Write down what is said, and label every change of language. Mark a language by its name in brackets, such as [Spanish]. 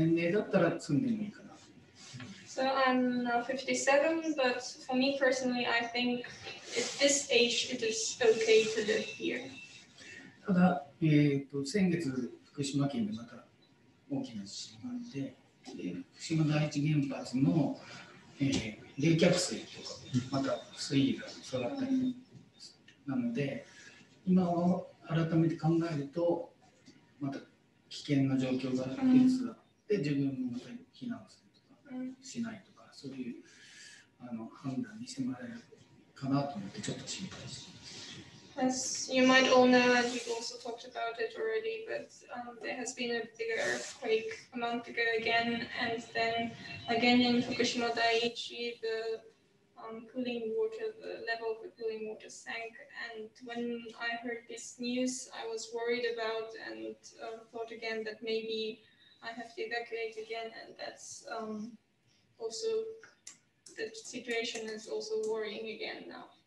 [English] So I'm 57, but for me personally, I think at this age, it is okay to live here. [Japanese] ただ、先月、福島県でまた大きな地震があって、福島第一原発の、冷却水とかまた水位が下がったりなので今は改めて考えるとまた危険な状況があるケースがあって自分もまた避難するとかしないとかそういう判断に迫られるかなと思ってちょっと心配しています。 [English] As you might all know, and we've also talked about it already, but there has been a bigger earthquake a month ago again, and then again in Fukushima Daiichi, the cooling water, the level of the cooling water sank. And when I heard this news, I was worried about and thought again that maybe I have to evacuate again, and that's also the situation is also worrying again now.